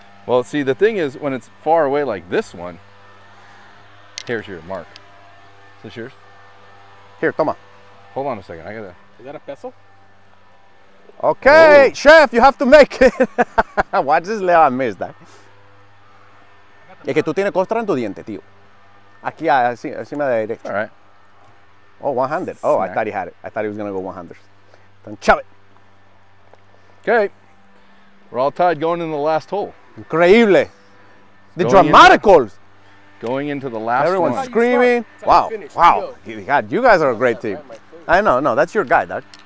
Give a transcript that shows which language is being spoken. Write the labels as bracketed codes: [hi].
[en] Well, see, the thing is, when it's far away like this one, here's your mark. Is this yours? Here, [es] toma. [en] Hold on a second. I gotta. Is that a peso? Okay, oh. Chef, you have to make it. Watch this, Leo. I missed that. [es] Es que tú tienes costra en tu diente, tío. Aquí, así, encima de la derecha. [en] All right. Oh, one-handed. Oh, snack. I thought he had it. I thought he was gonna go one-handed. Then chop it. Okay. We're all tied going in the last hole. [es] Increíble. [en] The dramaticals. Going into the last Everyone's screaming. Wow, wow. Yo. God, you guys are a great team. I know, no, that's your guy, Doug.